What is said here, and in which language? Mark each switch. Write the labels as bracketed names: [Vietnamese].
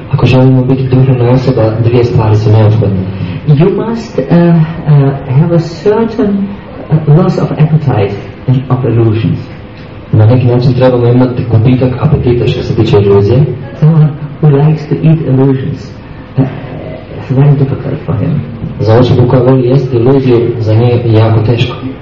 [Croatian] Ako želimo biti duhovna osoba, dvije stvari su neophodne. [English] You must have a certain loss of appetite and of illusions. [Croatian] Na neki način trebamo imati gubitak apetita što se tiče iluzije. [English] Someone who likes to eat illusions, it's very difficult for him. [Croatian] Za osobu koja voli jesti iluziju, za nje je jako teško.